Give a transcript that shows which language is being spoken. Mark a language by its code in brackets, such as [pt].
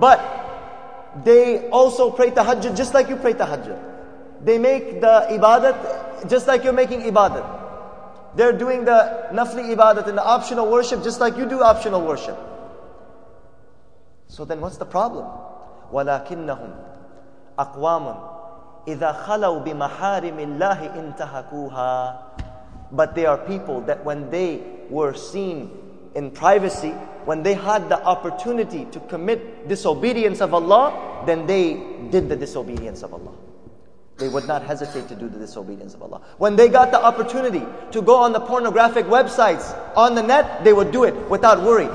[en] But they also pray tahajjud just like you pray tahajjud. They make the ibadat just like you're making ibadat. They're doing the nafli ibadat and the optional worship just like you do optional worship. So then what's the problem? [ar] ولكنهم أقوام إذا خلوا بمحارم الله انتهكوها. [en] But they are people that when they were seen in privacy, when they had the opportunity to commit disobedience of Allah, then they did the disobedience of Allah. They would not hesitate to do the disobedience of Allah. When they got the opportunity to go on the pornographic websites on the net, they would do it without worry.